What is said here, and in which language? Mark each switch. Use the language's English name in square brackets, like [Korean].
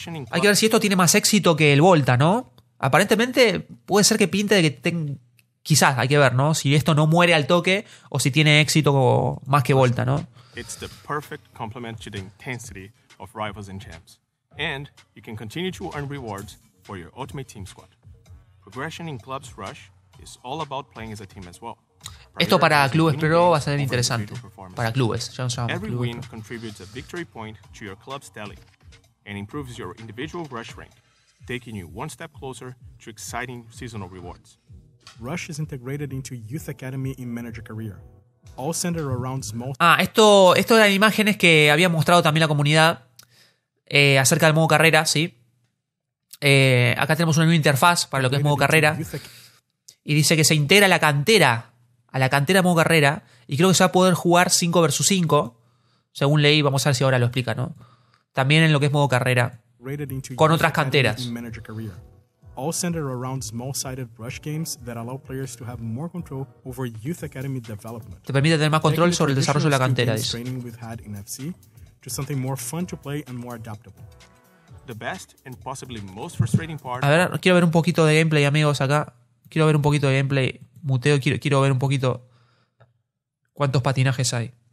[Spanish] Hay que ver si esto tiene más éxito que el Volta, ¿no? Aparentemente puede ser que pinte de que quizás, hay que ver, ¿no? Si esto no muere al toque o si tiene éxito más que Volta, ¿no? [English] It's the perfect complement to the intensity of rivals and champs. And you can continue to earn rewards for your ultimate team squad. Progression in clubs rush is all about playing as a team as well. [Spanish] Esto para clubes pro va a ser interesante. Para clubes, ya nos llamamos. [English] Every win contributes a victory point to your club's tally and improves your individual rush rank, taking you one step closer to exciting seasonal rewards. Rush is integrated into youth academy in manager career. All centered around small. [Spanish] Esto eran imágenes que había mostrado también la comunidad. Acerca del modo carrera, sí. Acá tenemos una nueva interfaz para lo que es modo carrera. Y dice que se integra a la cantera modo carrera. Y creo que se va a poder jugar 5 vs 5. Según leí, vamos a ver si ahora lo explica, ¿no? También en lo que es modo carrera. Con otras canteras. [English] All centered around small-sided rush games that allow players to have more control over youth academy development. [Spanish] Te permite tener más control sobre el desarrollo de la cantera, dice. [English] To something more fun to play and more adaptable. The best and possibly most frustrating part. [Spanish] A ver, quiero ver un poquito de gameplay, amigos, acá. Quiero ver un poquito de gameplay. Muteo, quiero ver un poquito cuántos patinajes hay.